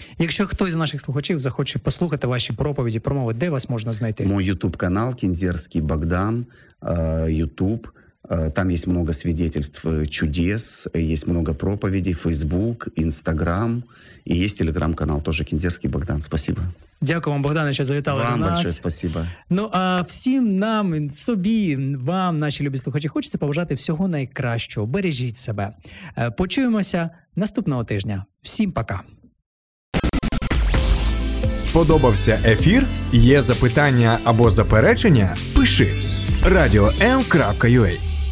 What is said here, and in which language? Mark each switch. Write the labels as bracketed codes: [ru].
[ru] Если кто из наших слухачей захочет послушать ваши проповеди, промовы, где вас можно найти? Мой YouTube-канал Кинзерский Богдан, YouTube. Там есть много свидетельств чудес, есть много проповедей, Facebook, Instagram, и есть телеграм-канал тоже Кіндзерський Богдан. Спасибо. [uk] Дякую вам, Богдане, що завітали вам до нас. [ru] Вам большое спасибо. [uk] Ну, а всім нам, собі, вам, наші любі слухачі, хочеться побажати всього найкращого. Бережіть себе. Почуємося наступного тижня. Всім пока. Сподобався ефір? Є запитання або заперечення? Пиши radio.m.ua.